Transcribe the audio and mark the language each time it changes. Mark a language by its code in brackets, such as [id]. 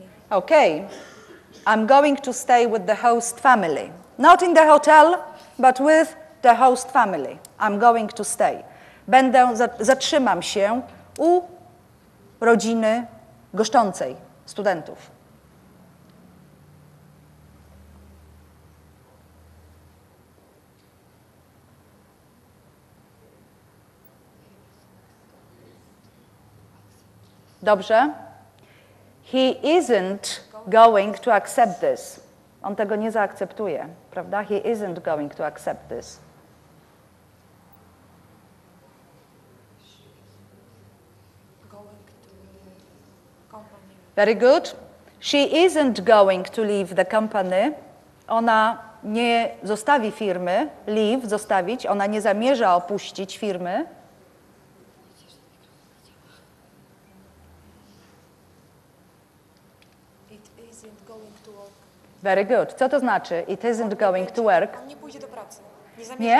[en] Okay, I'm going to stay with the host family. Not in the hotel, but with the host family. I'm going to stay. [pl] Będę, zatrzymam się u rodziny goszczącej studentów. Dobrze. [en] He isn't going to accept this. [pl] On tego nie zaakceptuje, prawda? [en] He isn't going to accept this. Very good. She isn't going to leave the company. [pl] Ona nie zostawi firmy. Leave, zostawić. Ona nie zamierza opuścić firmy. [en] It isn't going to work. Very good. [pl] Co to znaczy? [en] It isn't going to work. [pl] On nie pójdzie do pracy. Nie zamierza